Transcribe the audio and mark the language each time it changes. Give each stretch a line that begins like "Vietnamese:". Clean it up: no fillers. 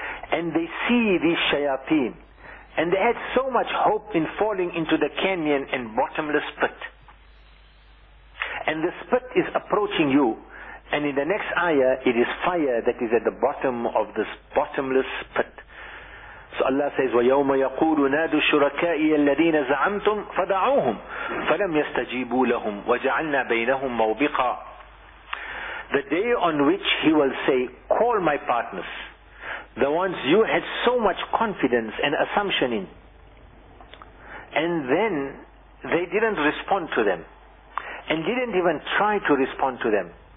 English: And they see these shayateen. And they had so much hope in falling into the canyon and bottomless pit. And the pit is approaching you. And in the next ayah, it is fire that is at the bottom of this bottomless pit. So Allah says,
Arabic: وَيَوْمَ يَقُولُ نَادُ شُرَكَائِيَ الَّذِينَ زَعَمْتُمْ فَدَعُوهُمْ فَلَمْ يَسْتَجِيبُوا لَهُمْ وَجَعَلْنَا بَيْنَهُمْ مَوْبِقًا.
English: The day on which he will say, call my partners, the ones you had so much confidence and assumption in. And then they didn't respond to them and didn't even try to respond to them.